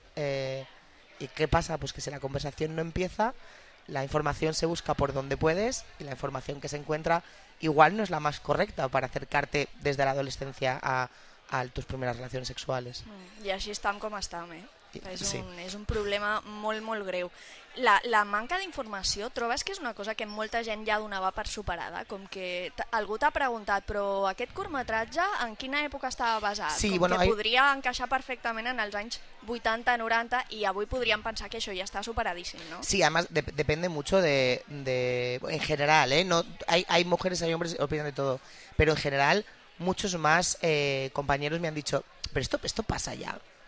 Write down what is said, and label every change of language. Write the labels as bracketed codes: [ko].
[es] ¿Y qué pasa? Pues que si la conversación no empieza, la información se busca por donde puedes y la información que se encuentra igual no es la más correcta para acercarte desde la adolescencia a tus primeras relaciones sexuales. Y así estamos como estamos, [ca] és un problema molt, molt greu. La manca d'informació, trobes que és una cosa que molta gent ja donava per superada? Com que algú t'ha preguntat, però aquest curtmetratge en quina època estava basat? Sí, com bueno, que podria encaixar perfectament en els anys 80-90 i avui podríem pensar que això ja està superadíssim, no? [es] Sí, además depende mucho de en general, ¿eh? No, hay mujeres, hay hombres, opinan de todo, pero en general muchos más compañeros me han dicho, pero esto pasa ya.